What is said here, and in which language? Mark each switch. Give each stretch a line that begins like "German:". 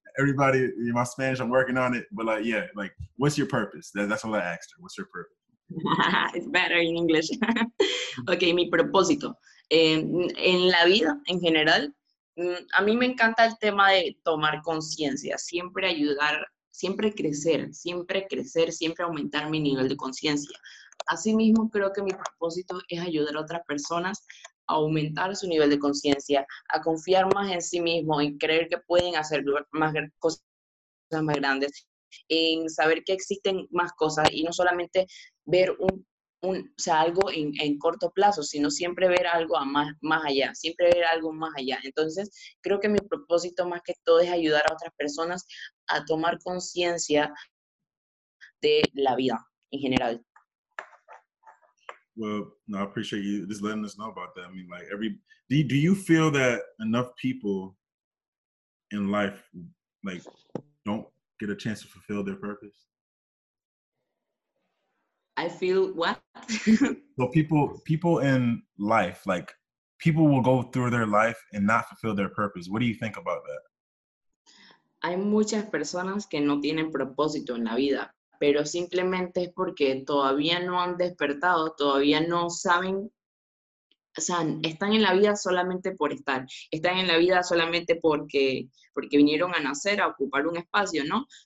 English: Everybody, in my Spanish, I'm working on it. But like, yeah, like, what's your purpose? That's all I asked her. What's your purpose? It's better in English. Okay,
Spanish: mi propósito. En la vida, en general, a mí me encanta el tema de tomar conciencia. Siempre ayudar, siempre crecer, siempre crecer, siempre aumentar mi nivel de conciencia. Asimismo, creo que mi propósito es ayudar a otras personas a aumentar su nivel de conciencia, a confiar más en sí mismo, en creer que pueden hacer más cosas más grandes, en saber que existen más cosas y no solamente ver algo en corto plazo, sino siempre ver algo más allá, siempre ver algo más allá. Entonces, creo que mi propósito más que todo es ayudar a otras personas a tomar conciencia de la vida en general.
English: Well, no, I appreciate you just letting us know about that. I mean, like, do you feel that enough people in life, like, don't get a chance to fulfill their purpose? I feel what? So people in life, like, people will go through their life and not fulfill their purpose. What do you think about that?
Spanish: Hay muchas personas que no tienen propósito en la vida, pero simplemente es porque todavía no han despertado, todavía no saben, o sea, están en la vida solamente por estar, están en la vida solamente porque vinieron a nacer, a ocupar un espacio, ¿no?